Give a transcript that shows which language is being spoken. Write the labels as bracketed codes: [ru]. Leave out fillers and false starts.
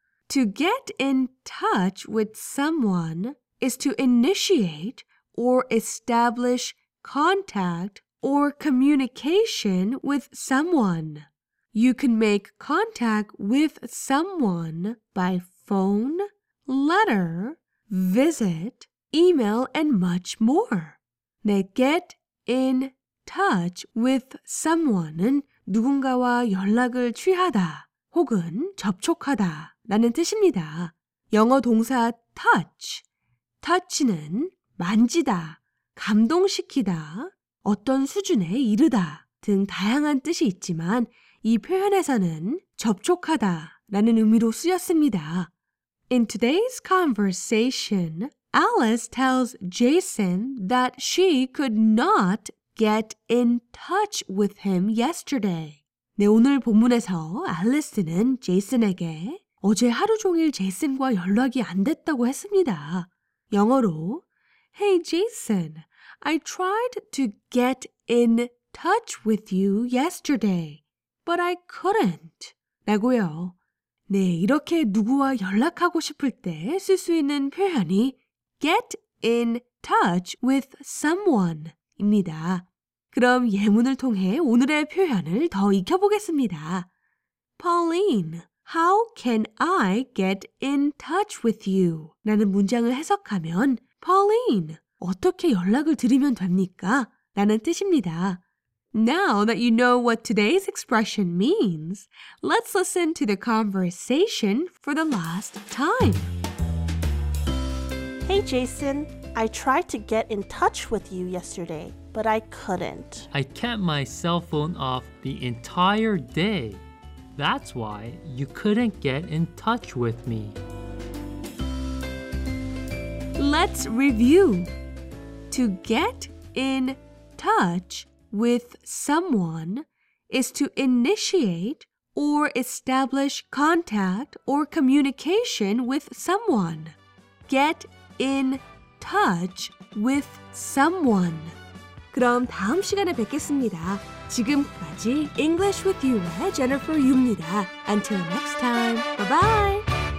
[en] To get in touch with someone is to initiate or establish contact or communication with someone. You can make contact with someone by phone, letter, visit, email, and much more. [ko] 네, [en] get in touch with someone [ko] 은 누군가와 연락을 취하다 혹은 접촉하다 라는 뜻입니다. 영어 동사 touch. Touch는 만지다, 감동시키다, 어떤 수준에 이르다 등 다양한 뜻이 있지만 이 표현에서는 접촉하다 라는 의미로 쓰였습니다. [en] In today's conversation, Alice tells Jason that she could not get in touch with him yesterday. [ko] 네, 오늘 본문에서 Alice는 Jason에게 어제 하루 종일 Jason과 연락이 안 됐다고 했습니다. 영어로 [en] Hey Jason, I tried to get in touch with you yesterday, but I couldn't. [ko] 라고요. 네, 이렇게 누구와 연락하고 싶을 때 쓸 수 있는 표현이 [en] get in touch with someone [ko] 입니다. 그럼 예문을 통해 오늘의 표현을 더 익혀보겠습니다. [en] Pauline, how can I get in touch with you? [ko] 라는 문장을 해석하면 Pauline, 어떻게 연락을 드리면 됩니까? 라는 뜻입니다. [en] Now that you know what today's expression means, let's listen to the conversation for the last time. Hey Jason, I tried to get in touch with you yesterday, but I couldn't. I kept my cell phone off the entire day. That's why you couldn't get in touch with me. Let's review. To get in touch with someone is to initiate or establish contact or communication with someone. Get in touch with someone. [ko] 그럼 다음 시간에 뵙겠습니다. 지금까지 English with You의 Jennifer Yu입니다. [en] Until next time, bye-bye!